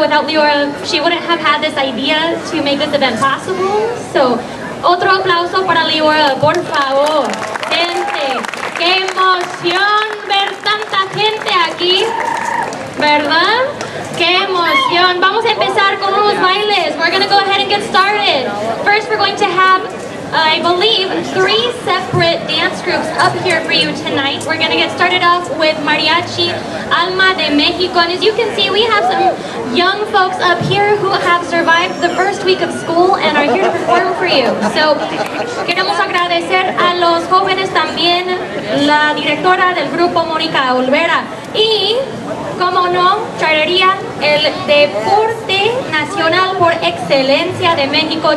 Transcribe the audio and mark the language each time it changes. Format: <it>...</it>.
<en>Without Leora, she wouldn't have had this idea to make this event possible.</en> <es>So, otro aplauso para Leora, por favor. Gente, qué emoción ver tanta gente aquí, ¿verdad? Qué emoción. Vamos a empezar con unos bailes.</es> <en>We're going to go ahead and get started. First, we're going to have, I believe, three separate dance groups up here for you tonight. We're going to get started off with Mariachi Alma de Mexico. And as you can see, we have some young folks up here who have survived the first week of school and are here to perform for you.</en> <es>So, queremos agradecer a los jóvenes también, la directora del grupo, Mónica Olvera, y, como no, Charrería, el deporte nacional por excelencia de México.</es>